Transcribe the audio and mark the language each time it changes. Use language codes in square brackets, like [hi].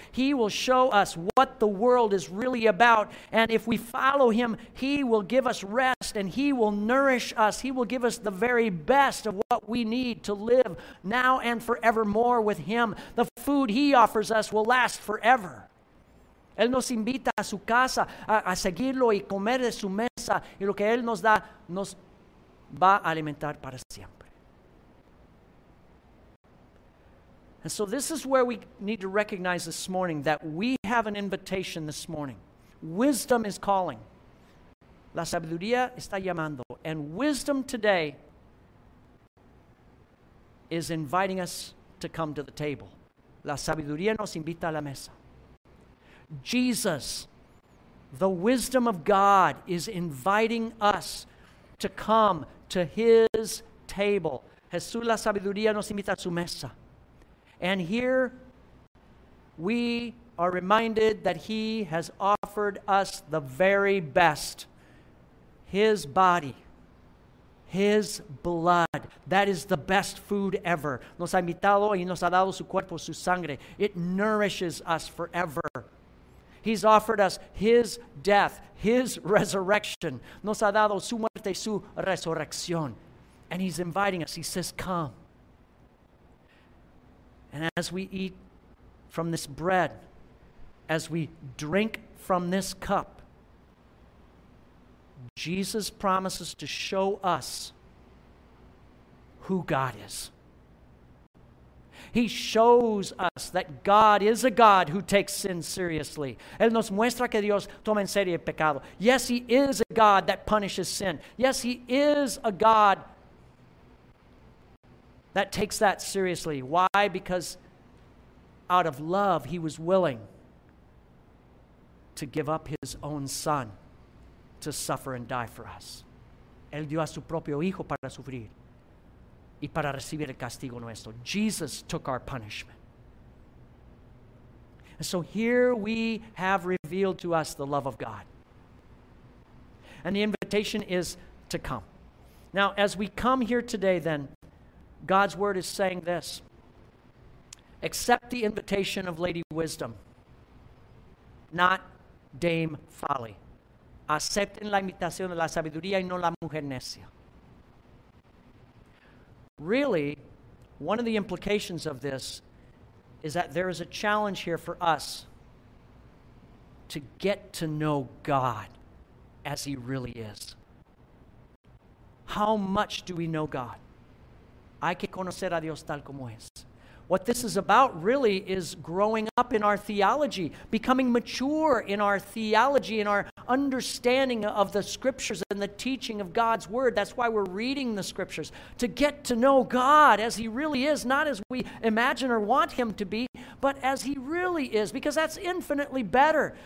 [en] He will show us what the world is really about. And if we follow him, he will give us rest and he will nourish us. He will give us the very best of what we need to live now and forevermore with him. The food he offers us will last forever. [es] Él nos invita a su casa a seguirlo y comer de su mesa. Y lo que él nos da nos va a alimentar para siempre. [en] And so this is where we need to recognize this morning that we have an invitation this morning. Wisdom is calling. [es] La sabiduría está llamando. [en] And wisdom today is inviting us to come to the table. [es] La sabiduría nos invita a la mesa. [en] Jesus, the wisdom of God, is inviting us to come to his table. [es] Jesús, la sabiduría nos invita a su mesa. [en] And here we are reminded that he has offered us the very best. His body, his blood. That is the best food ever. [es] Nos ha invitado y nos ha dado su cuerpo, su sangre. [en] It nourishes us forever. He's offered us his death, his resurrection. [es] Nos ha dado su muerte, su resurrección. [en] And he's inviting us. He says, "Come." And as we eat from this bread, as we drink from this cup, Jesus promises to show us who God is. He shows us that God is a God who takes sin seriously. [es] Él nos muestra que Dios toma en serio el pecado. [en] Yes, he is a God that punishes sin. Yes, he is a God that takes that seriously. Why? Because out of love, he was willing to give up his own son to suffer and die for us. [es] Él dio a su propio hijo para sufrir y para recibir el castigo nuestro. [en] Jesus took our punishment. And so here we have revealed to us the love of God. And the invitation is to come. Now, as we come here today, then, God's word is saying this. Accept the invitation of Lady Wisdom, not Dame Folly. [es] Acepten la invitación de la sabiduría y no la mujer necia. [en] Really, one of the implications of this is that there is a challenge here for us to get to know God as he really is. How much do we know God? [es] Hay que conocer a Dios tal como es. [en] What this is about really is growing up in our theology, becoming mature in our theology, in our understanding of the scriptures and the teaching of God's word. That's why we're reading the scriptures, to get to know God as he really is, not as we imagine or want him to be, but as he really is, because that's infinitely better.